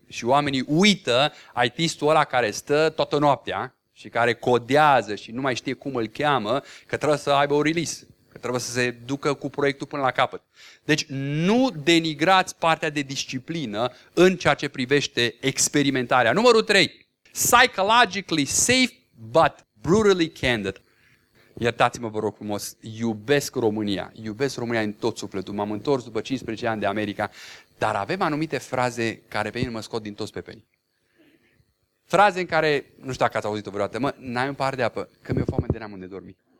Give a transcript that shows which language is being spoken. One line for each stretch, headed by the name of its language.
Romanian: Și oamenii uită IT-istul ăla care stă toată noaptea și care codează și nu mai știe cum îl cheamă, că trebuie să aibă o release. Trebuie să se ducă cu proiectul până la capăt. Deci nu denigrați partea de disciplină în ceea ce privește experimentarea. Numărul 3.
English: Psychologically safe, but brutally candid.
Romanian: Iertați-mă, vă rog frumos, iubesc România. Iubesc România în tot sufletul. M-am întors după 15 ani de America, dar avem anumite fraze care pe mine mă scot din toți pepenii. Fraze în care, nu știu dacă ați auzit-o vreodată, mă, n-ai un pahar de apă, că mi-e foame de n-am unde dormi.